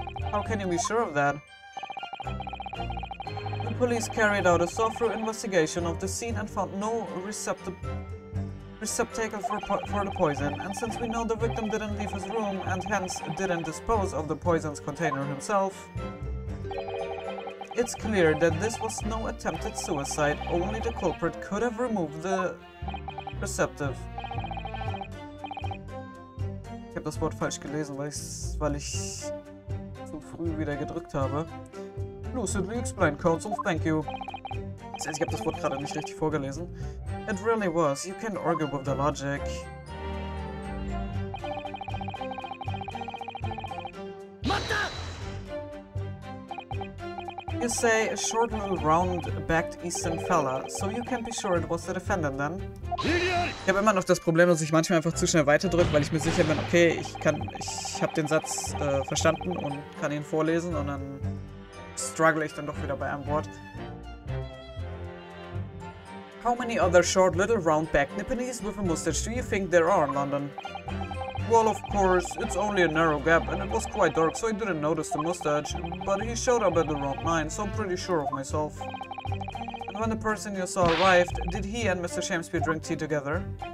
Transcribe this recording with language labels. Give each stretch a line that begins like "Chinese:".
English: How can you be sure of that? The police carried out a thorough investigation of the scene and found no receptacle for the poison. And since we know the victim didn't leave his room, and hence didn't dispose of the poison's container himself, it's clear that this was no attempted suicide, only the culprit could have removed the receptive.
German: Ich habe das Wort falsch gelesen, weil ich zu früh wieder gedrückt habe.
English: Lucidly explained, counsel, thank you.
German: Ich habe das Wort gerade nicht richtig vorgelesen.
English: It really was. You can't argue with the logic. You say a short little round-backed eastern fella, so you can't be sure it was the defendant then.
German: Ich habe immer noch das Problem, dass ich manchmal einfach zu schnell weiterdrücke, weil ich mir sicher bin, okay, ich habe den Satz verstanden und kann ihn vorlesen und dann struggle ich dann doch wieder bei einem Wort.
English: How many other short little round-backed Nippenese with a mustache do you think there are in London? Well, of course, it's only a narrow gap, and it was quite dark, so I didn't notice the mustache, but he showed up at around 9, so I'm pretty sure of myself. And when the person you saw arrived, did he and Mr. Shamspeare drink tea together?